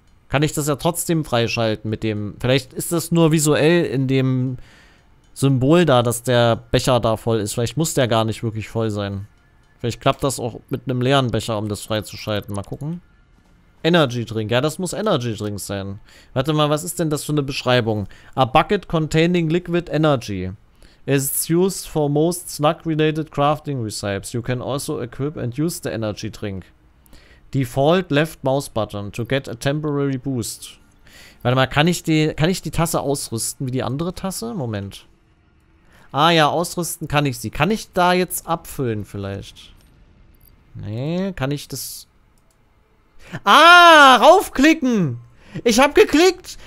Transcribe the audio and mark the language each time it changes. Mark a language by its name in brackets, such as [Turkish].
[German] Kann ich das ja trotzdem freischalten mit dem... Vielleicht ist das nur visuell in dem Symbol da, dass der Becher da voll ist. Vielleicht muss der gar nicht wirklich voll sein. Vielleicht klappt das auch mit einem leeren Becher, um das freizuschalten. Mal gucken. Energy Drink. Ja, das muss Energy Drink sein. Warte mal, was ist denn das für eine Beschreibung? [English] A bucket containing liquid energy. It's used for most slug-related crafting recipes. You can also equip and use the Energy Drink. Default Left Mouse Button to get a temporary boost. [German] Warte mal, kann ich die Tasse ausrüsten wie die andere Tasse? Moment. Ah ja, ausrüsten kann ich sie. Kann ich da jetzt abfüllen vielleicht? Nee, kann ich das... Ah, raufklicken! Ich hab geklickt!